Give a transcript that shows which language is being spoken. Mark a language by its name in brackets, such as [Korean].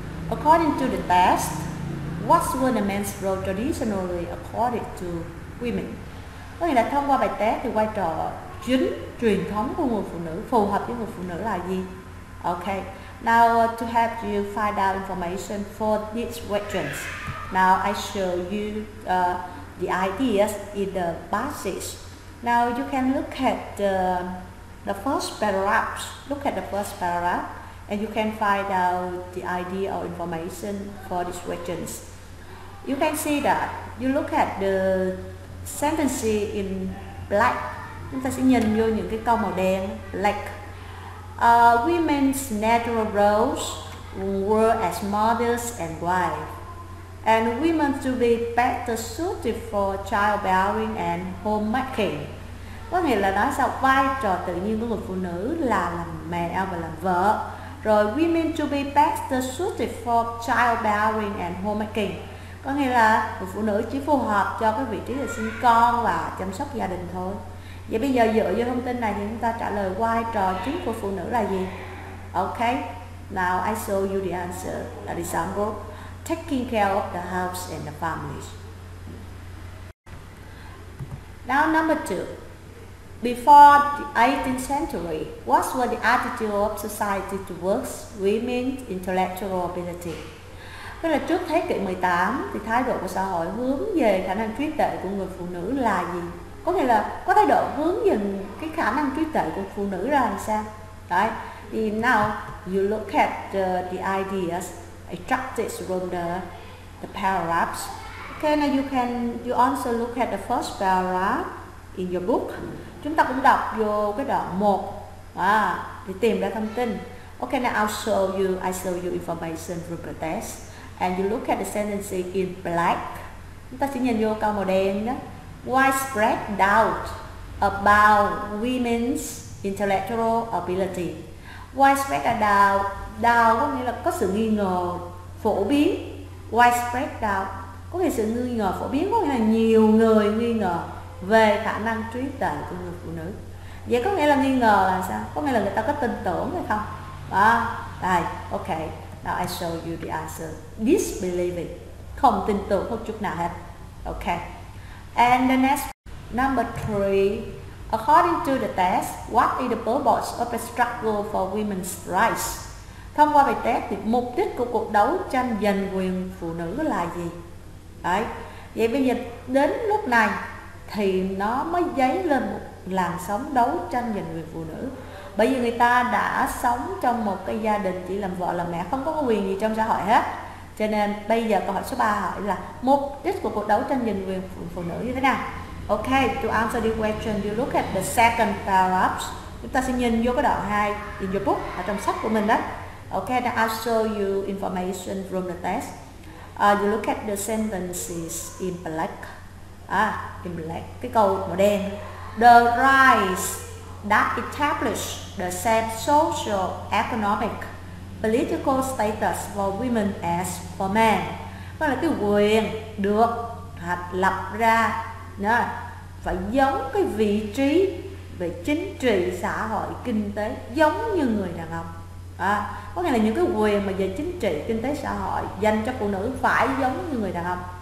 [English] According to the test, what were the men's role traditionally accorded to women? [Vietnamese] Có nghĩa là thông qua bài test thì vai trò chính truyền thống của người phụ nữ phù hợp với người phụ nữ là gì? [English] Okay. Now to help you find out information for these questions, now I show you the ideas in the passage. Now you can look at the The first paragraph, look at the first paragraph, and you can find out the idea or information for these questions. You can see that you look at the sentence in black. [Vietnamese] Chúng ta sẽ nhìn vô những cái câu màu đen, black. [English] Women's natural roles were as mothers and wives, and women to be better suited for childbearing and homemaking. [Vietnamese] Có nghĩa là nói sao vai trò tự nhiên của người phụ nữ là làm mẹ và làm vợ. [English] Rồi women to be better suited for childbearing and homemaking. [Vietnamese] Có nghĩa là người phụ nữ chỉ phù hợp cho cái vị trí là sinh con và chăm sóc gia đình thôi. Vậy bây giờ dựa vào thông tin này thì chúng ta trả lời vai trò chính của phụ nữ là gì? [English] Okay, now I show you the answer. An example, taking care of the house and the family. Now number two. Before the 18th century, what was the attitude of society towards women's intellectual ability? [Vietnamese] Tức là trước thế kỷ 18 thì thái độ của xã hội hướng về khả năng trí tuệ của người phụ nữ là gì? Có nghĩa là có thái độ hướng về cái khả năng trí tuệ của phụ nữ ra làm sao? Đấy. [English] Thì now you look at the ideas extracted from the paragraphs. Okay, now you also look at the first paragraph in your book. [Vietnamese] Chúng ta cũng đọc vô cái đoạn 1 để tìm ra thông tin. [English] Okay, now I show you information from the text. And you look at the sentence in black. [Vietnamese] Chúng ta sẽ nhìn vô câu màu đen đó. [English] Widespread doubt about women's intellectual ability. Widespread doubt. [Vietnamese] Doubt có nghĩa là có sự nghi ngờ phổ biến. Widespread doubt có nghĩa là sự nghi ngờ phổ biến, có nghĩa là nhiều người nghi ngờ về khả năng trí tuệ của người phụ nữ. Vậy có nghĩa là nghi ngờ là sao? Có nghĩa là người ta có tin tưởng hay không? À, đây, ok. [English] Now I show you the answer. Disbelieving. [Vietnamese] Không tin tưởng một chút nào hết. [English] Ok. And the next, number three. According to the test, what is the purpose of the struggle for women's rights? [Vietnamese] Thông qua bài test thì mục đích của cuộc đấu tranh giành quyền phụ nữ là gì? Đấy. Vậy bây giờ đến lúc này thì nó mới dấy lên một làn sóng đấu tranh giành quyền phụ nữ. Bởi vì người ta đã sống trong một cái gia đình chỉ làm vợ làm mẹ, không có quyền gì trong xã hội hết. Cho nên bây giờ câu hỏi số 3 hỏi là mục đích của cuộc đấu tranh giành quyền phụ nữ như thế nào? [English] Ok, to answer the question, you look at the second paragraph. [Vietnamese] Chúng ta sẽ nhìn vô cái đoạn 2 [English] in your book, [Vietnamese] ở trong sách của mình đó. [English] Ok, now I'll show you information from the test. You look at the sentences in black. In black, [Vietnamese] cái câu màu đen. [English] The rise that establish the same social, economic, political status for women as for men. [Vietnamese] Đó là cái quyền được lập ra, phải giống cái vị trí về chính trị, xã hội, kinh tế giống như người đàn ông. Có nghĩa là những cái quyền mà về chính trị, kinh tế, xã hội dành cho phụ nữ phải giống như người đàn ông.